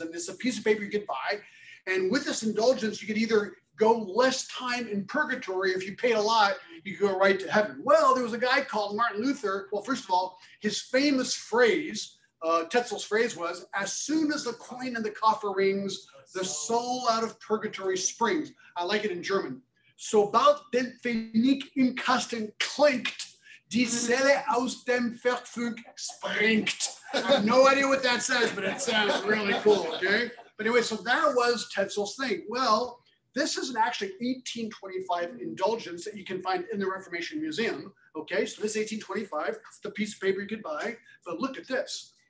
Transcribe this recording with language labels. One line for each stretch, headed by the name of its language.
English: And it's a piece of paper you could buy. And with this indulgence, you could either go less time in purgatory. If you paid a lot, you could go right to heaven. Well, there was a guy called Martin Luther. Well, first of all, his famous phrase, Tetzel's phrase was, as soon as the coin in the coffer rings, the soul out of purgatory springs. I like it in German.
German: So bald den Pfennig im Kasten klinkt, die Seele aus dem Verfunk springt.
English: No idea what that says, but it sounds really cool, okay? But anyway, so that was Tetzel's thing. Well, this is an actually 1825 indulgence that you can find in the Reformation Museum, okay? So this is 1825, it's the piece of paper you could buy, but look at this.